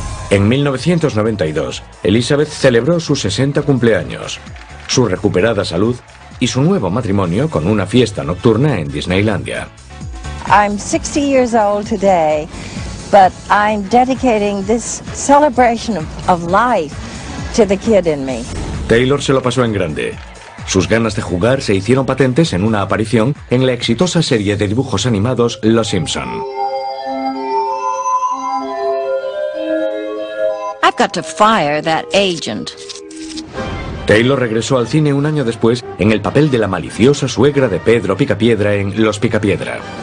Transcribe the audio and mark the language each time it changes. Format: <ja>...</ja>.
<es>En 1992, Elizabeth celebró sus 60 cumpleaños, su recuperada salud y su nuevo matrimonio con una fiesta nocturna en Disneylandia.</es> <en>I'm 60 years old today, but I'm dedicating this celebration of life to the kid in me.</en> <es>Taylor se lo pasó en grande. Sus ganas de jugar se hicieron patentes en una aparición en la exitosa serie de dibujos animados Los Simpson.</es> <en>I've got to fire that agent.</en> <es>Taylor regresó al cine un año después en el papel de la maliciosa suegra de Pedro Picapiedra en Los Picapiedra.</es>